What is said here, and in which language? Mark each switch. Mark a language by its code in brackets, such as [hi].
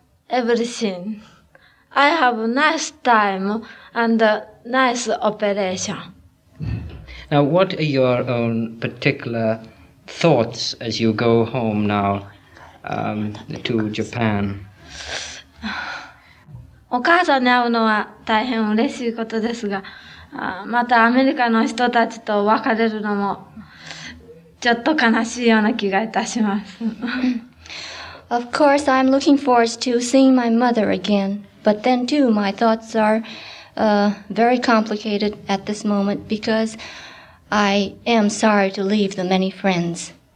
[en] Everything. I have a nice time and a nice operation. Now, what are your own particular thoughts as you go home now to Japan? [ja] お母さんに会うのは大変嬉しいことですが、またアメリカの人たちと別れるのもちょっと悲しいような気がいたします。 [en] Of course, I'm looking forward to seeing my mother again, but then too, my thoughts are very complicated at this moment because I am sorry to leave the many friends.